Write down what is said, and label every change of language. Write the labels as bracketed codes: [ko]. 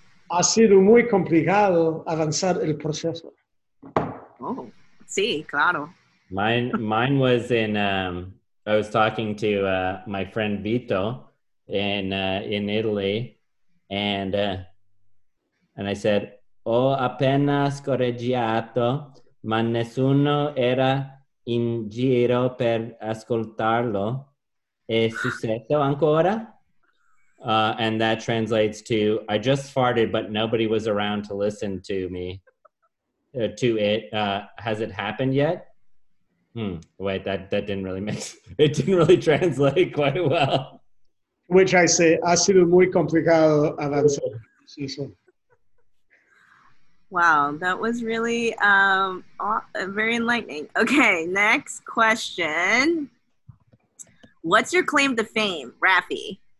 [es] Ha sido muy complicado avanzar el proceso. Oh, sí, claro. [en] Mine was in, I was talking to my friend Vito in Italy, and I said, [it] ho appena scorreggiato, ma nessuno era in giro per ascoltarlo. È successo ancora? [en] And that translates to, I just farted, but nobody was around to listen to me, to it. Has it happened yet? It didn't really translate quite well. Which I say, [es] ha sido muy complicado avanzar. [en] Wow, that was really very enlightening. Okay, next question. What's your claim to fame, Raffi?